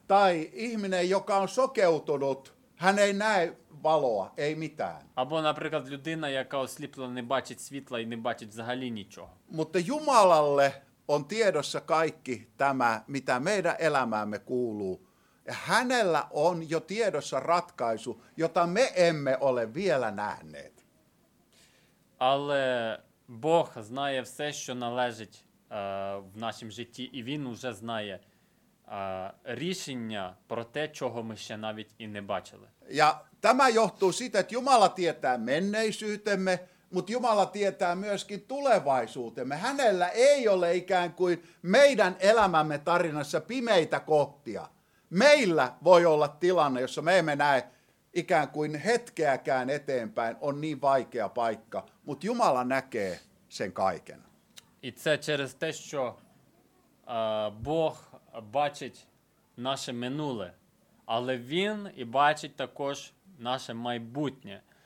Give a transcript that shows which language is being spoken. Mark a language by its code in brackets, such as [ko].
[fi] Tai ihminen, joka on sokeutunut, hän ei näe valoa, ei mitään. [uk] Або, наприклад, людина, яка осліплена, не бачить світла і не бачить взагалі нічого. [fi] Mutta Jumalalle on tiedossa kaikki tämä, mitä meidän elämäämme kuuluu. Ja hänellä on jo tiedossa ratkaisu, jota me emme ole vielä nähneet. [uk] Але Бог знає все, що належить в нашому житті, і він уже знає рішення про те, чого ми ще навіть і не бачили. [fi] Ja tämä johtuu siitä, että Jumala tietää menneisyytemme, mutta Jumala tietää myöskin tulevaisuutemme. Hänellä ei ole ikään kuin meidän elämämme tarinassa pimeitä kohtia. Meillä voi olla tilanne, jossa me emme näe ikään kuin hetkeäkään eteenpäin, on niin vaikea paikka, mutta Jumala näkee sen kaiken. Itse [uk] через те, що Бог бачить наше минуле, але він і бачить також наше майбутнє.